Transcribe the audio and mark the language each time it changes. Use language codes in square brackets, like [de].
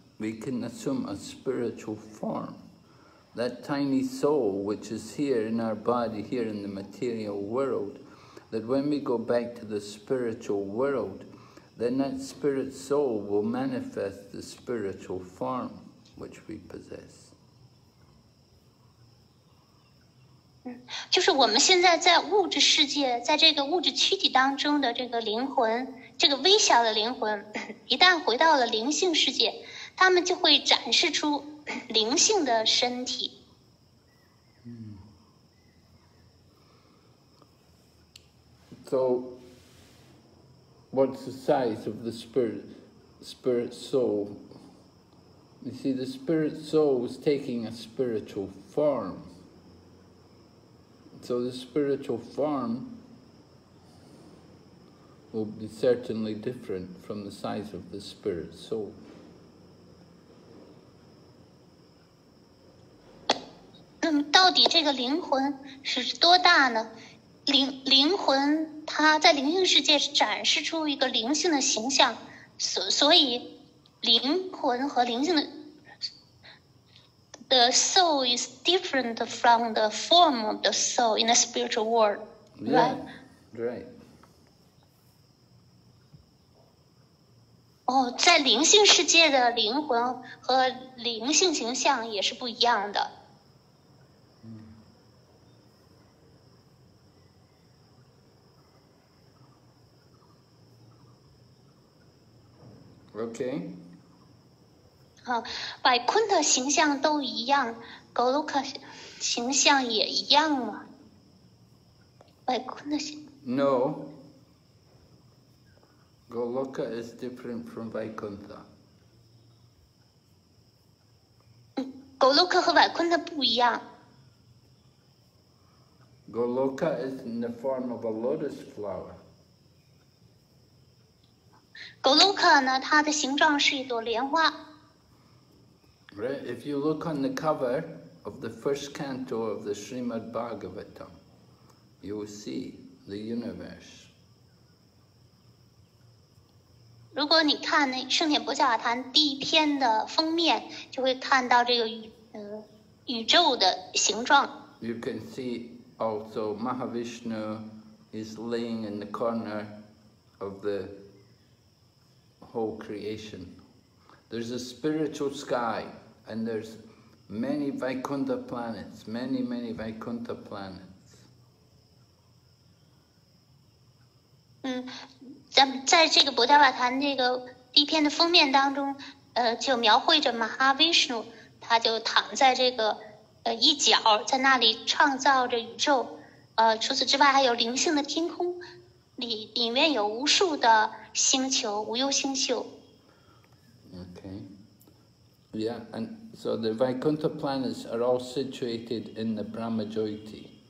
[en] We can assume a spiritual form. That tiny soul, which is here in our body, here in the material world, that when we go back to the spiritual world, then that spirit soul will manifest the spiritual form which we possess. [zh] 就是我们现在在物质世界，在这个物质躯体当中的这个灵魂，这个微小的灵魂，一旦回到了灵性世界，他们就会展示出灵性的身体。 [en] So, what's the size of the spirit soul? You see, the spirit soul is taking a spiritual form.So the spiritual form will be certainly different from the size of the spirit soul. The soul is different from the form of the soul in the spiritual world, right? Yeah, right. [zh] Oh, 在灵性世界的灵魂和灵性形象也是不一样的。 [en] Okay. [zh] 百坤的形象都一样，格鲁克形象也一样吗？百坤的形 [en] ？No. Goloka is different from Vaikuntha. [zh] 格鲁克和百坤的不一样。 [en] Goloka is in the form of a lotus flower. [zh] 格鲁克呢？它的形状是一朵莲花。 [en] Right, if you look on the cover of the first canto of the Srimad Bhagavatam, you will see the universe. [zh] 如果你看那《圣贤菩萨坛》第一篇的封面，就会看到这个宇宙的形状。 [en] You can see also Mahavishnu is laying in the corner of the whole creation. There's a spiritual sky. And there's many Vaikuntha planets, many, many Vaikuntha planets. [zh] 在这个《菩提瓦坛》这个第一篇的封面当中，就描绘着 Mahavishnu， 他就躺在这个一角，在那里创造着宇宙。除此之外，还有灵性的天空，里面有无数的星球，无忧星宿。 [en] Okay. Yeah, and. So the Vaikuntha planets are all situated in the Brahmajyoti.